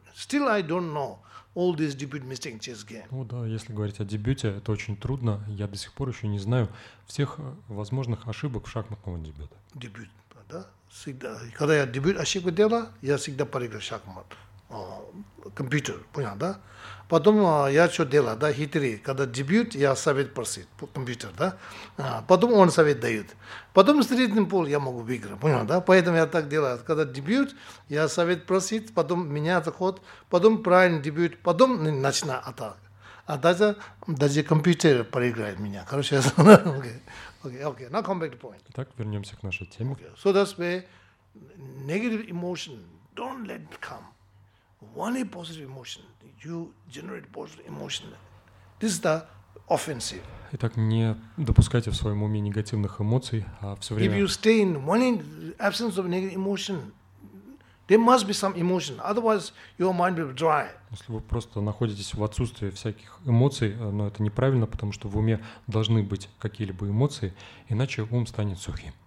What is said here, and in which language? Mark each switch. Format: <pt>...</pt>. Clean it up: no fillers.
<en>Still, I don't know all these debut mistakes in chess game.</en> <ru>Ну да, если говорить о дебюте, это очень трудно. Я до сих пор еще не знаю всех возможных ошибок в шахматном дебюте. Дебют, да? Всегда, когда я дебют ошибку делаю, я всегда проиграл шахмат. Компьютер, понял, да? Потом я что делаю, да, хитрый. Когда дебют, я совет просит, компьютер, да? Потом он совет дает. Потом средний пол я могу выиграть, понял, да? Поэтому я так делаю. Когда дебют, я совет просит, потом меняется ход, потом правильный дебют, потом начинаю атака. А даже компьютер проиграет меня. Короче,</ru> <en>Okay. Now come back to point.</en> <ru>Итак, вернемся к нашей теме.</ru> <en>Okay. So that's where negative emotion don't let it come. Only positive emotion. You generate positive emotion. This is the offensive.</en> <ru>Итак, не допускайте в своем уме негативных эмоций, а все время.</ru> <en>If you stay in one absence of negative emotion, there must be some emotion. Otherwise, your mind will be dry.</en> <ru>Если вы просто находитесь в отсутствии всяких эмоций, но это неправильно, потому что в уме должны быть какие-либо эмоции, иначе ум станет сухим.</ru>